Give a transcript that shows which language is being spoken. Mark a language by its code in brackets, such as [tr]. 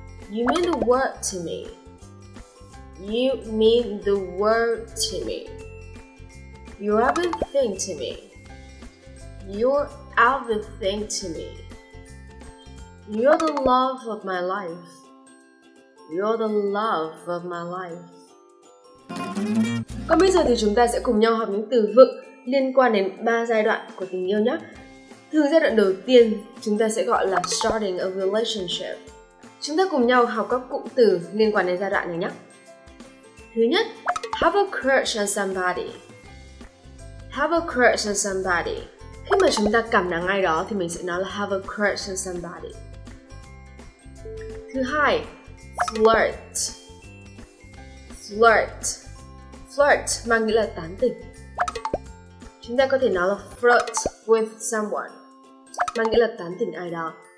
[en] You mean the world to me. You mean the world to me. You're everything to me. You're everything to me. You're the love of my life. You're the love of my life. [vi] Còn bây giờ thì chúng ta sẽ cùng nhau học những từ vựng liên quan đến 3 giai đoạn của tình yêu nhé. Thường giai đoạn đầu tiên chúng ta sẽ gọi là [en] starting a relationship. [vi] Chúng ta cùng nhau học các cụm từ liên quan đến giai đoạn này nhé. Thứ nhất, [en] have a crush on somebody. Have a crush on somebody. [vi] Khi mà chúng ta cảm nắng ai đó thì mình sẽ nói là [en] have a crush on somebody. [vi] Thứ hai, flirt. Flirt. Flirt mang nghĩa là tán tỉnh. Chúng ta có thể nói là [en] flirt with someone, [vi] mang nghĩa là tán tỉnh ai đó.